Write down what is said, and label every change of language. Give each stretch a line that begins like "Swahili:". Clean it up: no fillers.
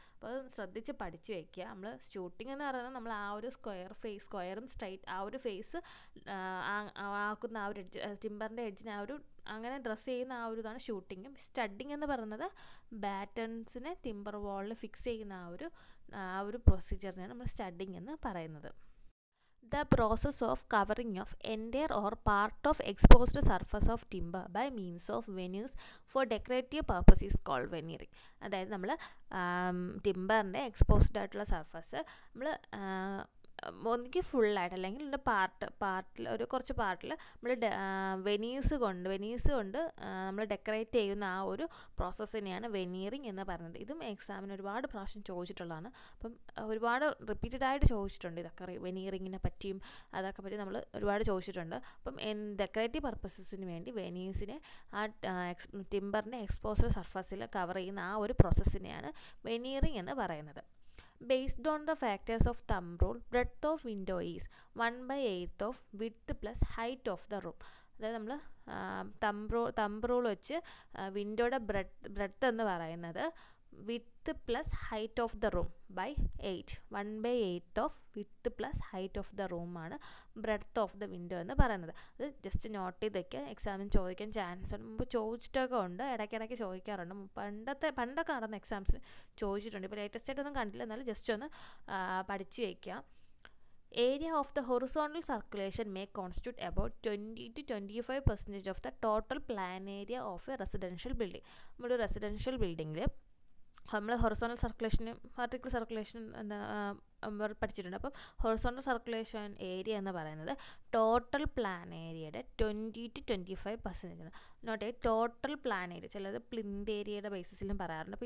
Malayalam: അപ്പോൾ അത് ശ്രദ്ധിച്ച് പഠിച്ച് വയ്ക്കുക. നമ്മൾ ഷൂട്ടിംഗ് എന്ന് പറയുന്നത് നമ്മൾ ആ ഒരു സ്ക്വയർ ഫേസ് സ്ക്വയറും സ്ട്രൈറ്റ് ആ ഒരു ഫേസ് ആക്കുന്ന ആ ഒരു എഡ്ജ് ടിമ്പറിൻ്റെ എഡ്ജിന് ആ ഒരു അങ്ങനെ ഡ്രസ്സ് ചെയ്യുന്ന ആ ഒരു ഇതാണ് ഷൂട്ടിങ്ങും. സ്റ്റഡിങ് എന്ന് പറയുന്നത് ബാറ്റൺസിനെ ടിമ്പർ വാളിൽ ഫിക്സ് ചെയ്യുന്ന ആ ഒരു പ്രൊസീജിയറിനെയാണ് നമ്മൾ സ്റ്റഡിങ് എന്ന് പറയുന്നത്.
English: The process of covering of entire or part of exposed surface of timber by means of veneers for decorative purpose is called veneering.
Malayalam: അതായത് നമ്മൾ ടിമ്പറിൻ്റെ എക്സ്പോസ്ഡ് ആയിട്ടുള്ള സർഫസ് നമ്മൾ ഒന്നിക്ക് ഫുള്ളായിട്ട് അല്ലെങ്കിൽ പാർട്ടിൽ ഒരു കുറച്ച് പാർട്ടിൽ നമ്മൾ വെനീസ് കൊണ്ട് നമ്മൾ ഡെക്കറേറ്റ് ചെയ്യുന്ന ആ ഒരു പ്രോസസ്സിനെയാണ് വെനീറിങ് എന്ന് പറയുന്നത്. ഇതും എക്സാമിന് ഒരുപാട് പ്രാവശ്യം ചോദിച്ചിട്ടുള്ളതാണ്. അപ്പം ഒരുപാട് റിപ്പീറ്റഡ് ആയിട്ട് ചോദിച്ചിട്ടുണ്ട് ഇതൊക്കെ വെനീറിങ്ങിനെ പറ്റിയും അതൊക്കെ പറ്റി നമ്മൾ ഒരുപാട് ചോദിച്ചിട്ടുണ്ട്. അപ്പം ഡെക്കറേറ്റീവ് പർപ്പസസിന് വേണ്ടി വെനീസിനെ ആ ടിമ്പറിൻ്റെ എക്സ്പോസ്ഡ് സർഫസിൽ കവർ ചെയ്യുന്ന ആ ഒരു പ്രോസസ്സിനെയാണ് വെനീറിങ് എന്ന് പറയുന്നത്.
English: Based on the factors of thumb rule, breadth of window is 1/8 of width plus height of the room.
Malayalam: അതായത് നമ്മൾ തമ്പ് റൂൾ വെച്ച് വിൻഡോയുടെ ബ്രെഡ്ത്ത് എന്ന് പറയുന്നത് വിത്ത് plus height of the room by 1/8 off with plus height of the റൂമാണ് breadth of the window എന്ന് പറയുന്നത്. അത് just not ചെയ്ത് വയ്ക്കുക. എക്സാമിന് ചോദിക്കാൻ ചാൻസ് ഉണ്ട്. മുമ്പ് ചോദിച്ചിട്ടൊക്കെ ഉണ്ട്, ഇടയ്ക്കിടയ്ക്ക് ചോദിക്കാറുണ്ട്. പണ്ടൊക്കെ നടന്ന എക്സാംസിന് ചോദിച്ചിട്ടുണ്ട്. ഇപ്പോൾ ലേറ്റസ്റ്റ് ആയിട്ടൊന്നും കണ്ടില്ല, എന്നാലും ജസ്റ്റ് ഒന്ന് പഠിച്ച് വയ്ക്കുക.
English: Area of the horizontal circulation may constitute about 20-25% of the total plan area of a residential building.
Malayalam: നമ്മളൊരു റെസിഡൻഷ്യൽ ബിൽഡിങ്ങിൽ നമ്മൾ ഹൊറിസോണൽ സർക്കുലേഷനും വെർട്ടിക്കൽ സർക്കുലേഷനും പഠിച്ചിട്ടുണ്ട്. അപ്പം ഹൊറിസോണൽ സർക്കുലേഷൻ ഏരിയ എന്ന് പറയുന്നത് ട്ടോട്ടൽ പ്ലാൻ ഏരിയയുടെ 20-25% ആണ്. നോട്ടെ, ടോട്ടൽ പ്ലാൻ ഏരിയ, ചിലത് പ്ലിന്ത് ഏരിയയുടെ ബേസിസിലും പറയാറുണ്ട്.